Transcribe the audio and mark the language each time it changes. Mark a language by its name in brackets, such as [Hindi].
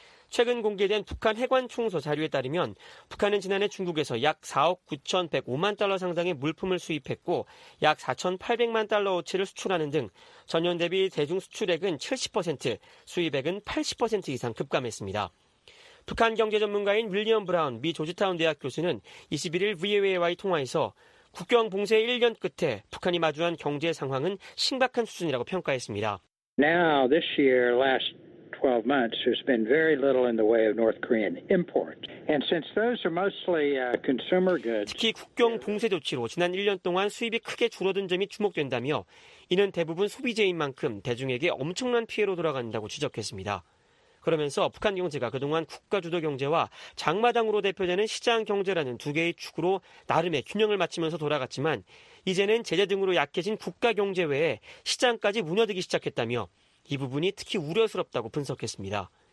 [Korean] 최근 공개된 북한 해관총서 자료에 따르면 북한은 지난해 중국에서 약 4억 9,105만 달러 상당의 물품을 수입했고 약 4,800만 달러어치를 수출하는 등 전년 대비 대중 수출액은 70%, 수입액은 80% 이상 급감했습니다. 북한 경제 전문가인 윌리엄 브라운 미 조지타운 대학 교수는 21일 VOA와의 통화에서 국경 봉쇄 1년 끝에 북한이 마주한 경제 상황은 심각한 수준이라고 평가했습니다. [English] Now this year, last 12 months, there's been very little in the way of North Korean import. And since those are mostly consumer goods, [Korean] 특히 국경 봉쇄 조치로 지난 1년 동안 수입이 크게 줄어든 점이 주목된다며 이는 대부분 소비재인 만큼 대중에게 엄청난 피해로 돌아간다고 지적했습니다. 그러면서 북한 경제가 그동안 국가주도 경제와 장마당으로 대표되는 시장 경제라는 두 개의 축으로 나름의 균형을 맞추면서 돌아갔지만 이제는 제재 등으로 약해진 국가 경제 외에 시장까지 무너지기 시작했다며 이 부분이 특히 우려스럽다고 분석했습니다.